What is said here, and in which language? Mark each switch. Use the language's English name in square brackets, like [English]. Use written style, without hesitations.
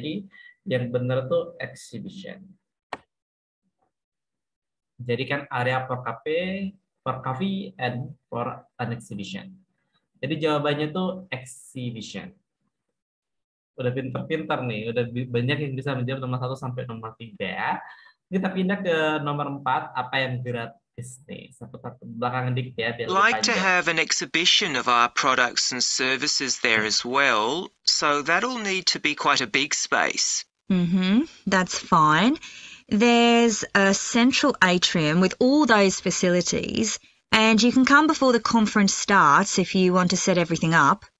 [Indonesian] Jadi, yang benar itu exhibition. Jadi kan [English] area for cafe and for an exhibition. [Indonesian] Jadi jawabannya tuh exhibition. Udah pinter-pinter nih, udah banyak yang bisa menjawab nomor 1 sampai nomor 3. Kita pindah ke nomor 4, apa yang gratis nih? Satu-satu belakang dikit ya, biar [English] like to have an exhibition of our products and services there as well, so that'll need to be quite a big space. Mm-hmm, that's fine. There's a central atrium with all those facilities, and you can come before the conference starts if you want to set everything up.